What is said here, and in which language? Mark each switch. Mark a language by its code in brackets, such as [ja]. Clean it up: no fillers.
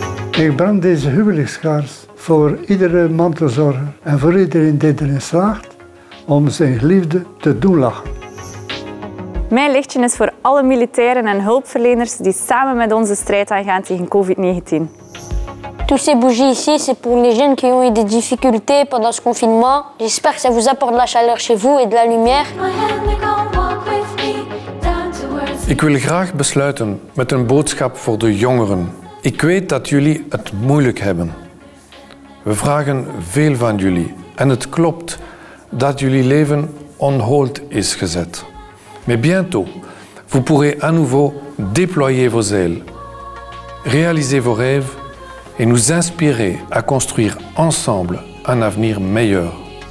[nl] Ik brand deze huwelijkskaars voor iedere mantelzorger en voor iedereen die erin slaagt om zijn geliefde te doen lachen. Mijn lichtje is voor alle militairen en hulpverleners die samen met ons de strijd aangaan tegen COVID-19. [fr] Toutes ces bougies ici, c'est pour les jeunes qui ont eu des difficultés pendant ce confinement. J'espère que ça vous apporte de la chaleur chez vous et de la lumière. [nl] Ik wil graag besluiten met een boodschap voor de jongeren. Ik weet dat jullie het moeilijk hebben. We vragen veel van jullie en het klopt dat jullie leven on hold is gezet. [fr] Mais bientôt, vous pourrez à nouveau déployer vos ailes, réaliser vos rêves et nous inspirer à construire ensemble un avenir meilleur.